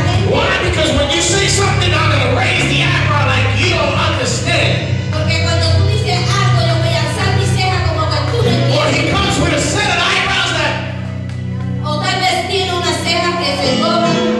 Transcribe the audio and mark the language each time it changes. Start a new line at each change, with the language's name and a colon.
English: Why? Because when you say something, I'm going to raise the eyebrow like you don't understand.
Spanish: Porque cuando tú dices algo, yo voy a alzar mi ceja como que tú no entiendes.
English: Or he comes with a set of eyebrows that...
Spanish: O tal vez tiene una ceja que se dobla.